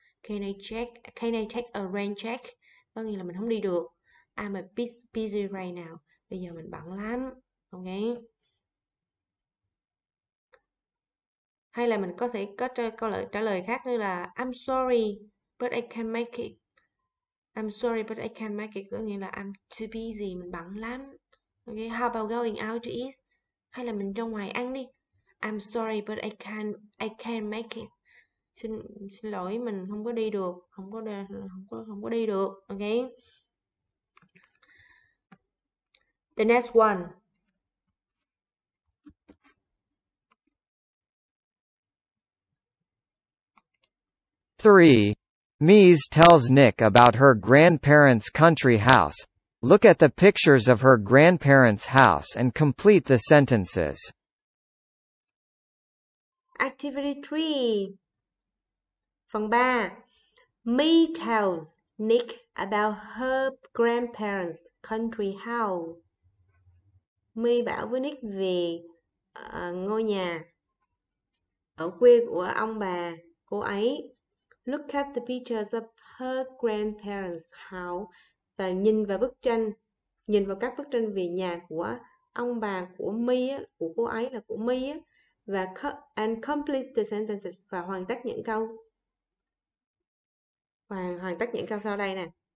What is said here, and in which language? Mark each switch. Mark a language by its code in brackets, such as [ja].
[en] Can I take a rain check? [vi] Có nghĩa là mình không đi được. [en] I'm a bit busy right now. [vi] Bây giờ mình bận lắm, [en] ok? [vi] Hay là mình có thể có trả lời khác như là [en] I'm sorry but I can't make it. I'm sorry but I can't make it [vi] có nghĩa là [en] I'm too busy, [vi] mình bận lắm. [en] Okay, how about going out to eat? [vi] Hay là mình ra ngoài ăn đi. [en] I'm sorry but I can't make it. [vi] Xin lỗi, mình không có đi được, không có đi được. [en] Okay. The next one. Three. Mies tells Nick about her grandparents' country house. Look at the pictures of her grandparents' house and complete the sentences. Activity 3. Phần 3. Mies tells Nick about her grandparents' country house. [vi] Mies bảo với Nick về ngôi nhà ở quê của ông bà cô ấy. [en] Look at the pictures of her grandparents' house. [vi] Và nhìn vào các bức tranh về nhà của ông bà của My, của cô ấy là của My. và [en] complete the sentences [vi] và hoàn tất những câu. Hoàn tất những câu sau đây nè.